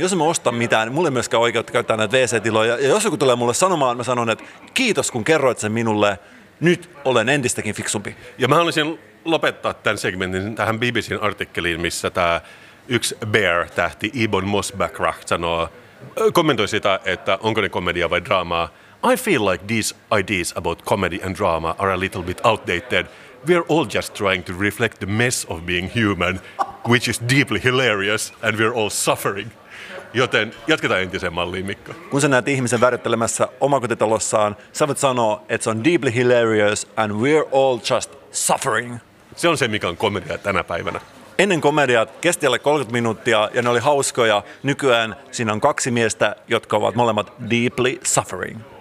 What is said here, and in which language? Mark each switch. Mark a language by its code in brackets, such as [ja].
[fi] Jos mä ostan mitään, mulla ei myöskään oikeutta käyttää näitä WC-tiloja. Ja jos joku tulee mulle sanomaan, mä sanon, että kiitos, kun kerroit sen minulle. Nyt olen entistäkin fiksumpi. Ja mä haluaisin lopettaa tämän segmentin tähän BBC:n artikkeliin, missä tämä yksi Bear-tähti, Ebon Mosbacher, sanoo, kommentoi sitä, että onko ne komedia vai draamaa. [en] I feel like these ideas about comedy and drama are a little bit outdated. We are all just trying to reflect the mess of being human, which is deeply hilarious, and we are all suffering. [fi] Joten jatketaan entiseen malliin, Mikko. Kun sä näet ihmisen värjättelemässä omakotitalossaan, sä voit sanoa, että se on [en] deeply hilarious, and we are all just suffering. [fi] Se on se, mikä on komedia tänä päivänä. Ennen komediat kesti alle 30 minuuttia ja ne oli hauskoja. Nykyään siinä on kaksi miestä, jotka ovat molemmat [en] deeply suffering.